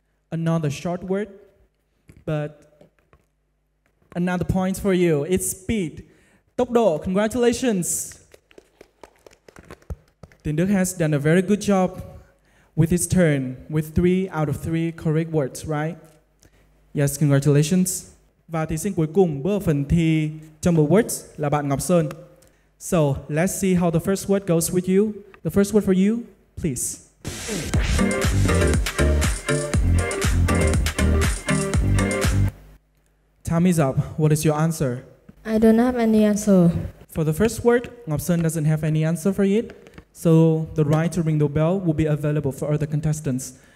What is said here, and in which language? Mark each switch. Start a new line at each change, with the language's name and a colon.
English: Another short word, but another point for you. It's speed.
Vietnamese: Tốc độ,
English: congratulations. Tiến Đức has done a very good job with his turn, with 3 out of 3 correct words, right? Yes, congratulations.
Vietnamese: Và thí sinh cuối cùng bước vào phần thi jumble words là bạn Ngọc Sơn.
English: So, let's see how the first word goes with you. The first word for you, please. Time is up. What is your answer? I don't have any answer. For the first word, Ngọc Sơn doesn't have any answer for it. So the right to ring the bell will be available for other contestants.